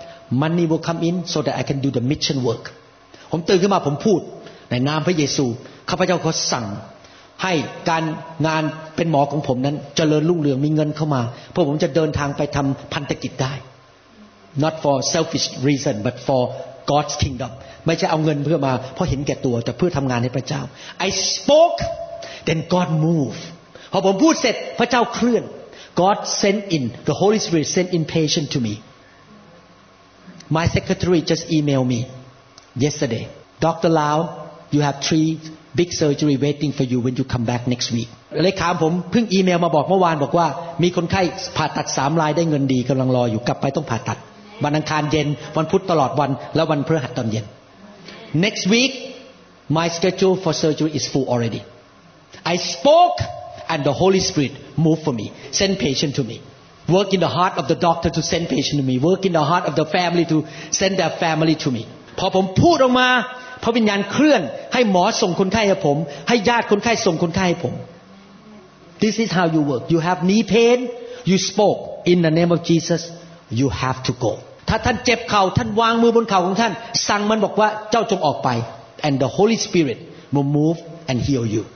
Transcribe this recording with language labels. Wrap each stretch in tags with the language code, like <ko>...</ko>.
<en>Money will come in so that I can do the mission work.</en> <th>ผมตื่นขึ้นมาผมพูดในนามพระเยซูข้าพเจ้าขอสั่งให้การงานเป็นหมอของผมนั้นเจริญรุ่งเรืองมีเงินเข้ามาเพื่อผมจะเดินทางไปทำพันธกิจได้</th> <en>Not for selfish reason, but for God's kingdom.</en> <th>ไม่ใช่เอาเงินเพื่อมาเพราะเห็นแก่ตัวแต่เพื่อทำงานให้พระเจ้า</th> <en>I spoke then God moved</en> <th>พอผมพูดเสร็จพระเจ้าเคลื่อน</th> <en>God sent in the Holy Spirit sent in patient to me My secretary just emailed me yesterday. Dr. Lau, you have 3 big surgery waiting for you when you come back next week.</en> <th>เลขาผมเพิ่งอีเมลมาบอกเมื่อวานบอกว่ามีคนไข้ผ่าตัด3รายได้เงินดีกำลังรออยู่กลับไปต้องผ่าตัดวันอังคารเย็นวันพุธตลอดวันแล้ววันพฤหัสตอนเย็น</th> <en>Next week my schedule for surgery is full already. I spoke and the Holy Spirit moved for me. Send patient to me. Work in the heart of the doctor to send patient to me. Work in the heart of the family to send their family to me.</en> <th>พอผมพูดออกมาพระวิญญาณเคลื่อนให้หมอส่งคนไข้ให้ผมให้ญาติคนไข้ส่งคนไข้ให้ผม</th> <en>This is how you work. You have knee pain. You spoke in the name of Jesus. You have to go.</en> <th>ถ้าท่านเจ็บเข่าท่านวางมือบนเข่าของท่านสั่งมันบอกว่าเจ้าจงออกไป</th> <en>And the Holy Spirit will move and heal you.</en>